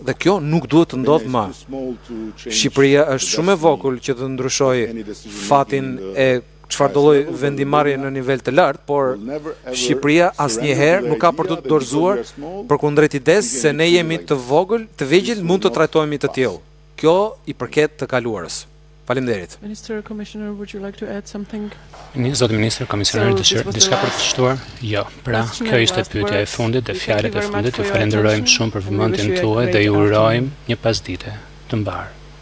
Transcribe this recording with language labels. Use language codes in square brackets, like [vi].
[sq] Dhe kjo nuk duhet të ndodhë më. Shqipëria është shumë e vogël që të ndryshoj fatin e çfarë do lloj vendimarrje në nivel të lartë, por Shqipëria asnjëherë nuk ka për të dorëzuar përkundrejt ides se ne jemi të vogël, të vegjël, mund të trajtohemi të tillë. Kjo i përket të kaluarës. Faleminderit. [en] Minister, Commissioner, would you like to add something? [sq] Zotë Minister, Komisioneri, diçka për të shtuar? Jo, pra, kjo ishte pyetja e fundit dhe fjalët e fundit. Ju falenderojmë shumë për vëmendjen tuaj dhe ju urojmë një pasdite të mbarë.